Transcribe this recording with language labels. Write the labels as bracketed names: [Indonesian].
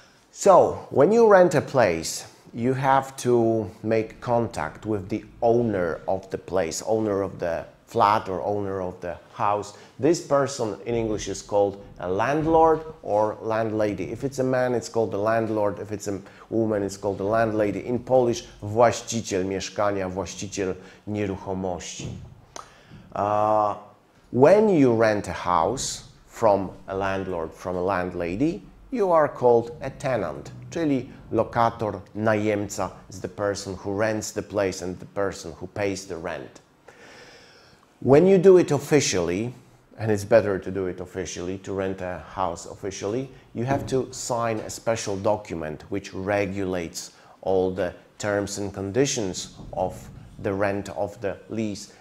[English] So when you rent a place, you have to make contact with the owner of the place, owner of the flat or owner of the house. This person in English is called a landlord or landlady. If it's a man, it's called the landlord. If it's a woman, it's called the landlady. In Polish, [Polish] właściciel mieszkania, właściciel nieruchomości. [English] When you rent a house from a landlord, from a landlady, you are called a tenant, [Polish] czyli lokator, najemca [English] is the person who rents the place and the person who pays the rent. When you do it officially, and it's better to do it officially, to rent a house officially, you have to sign a special document which regulates all the terms and conditions of the rent of the lease.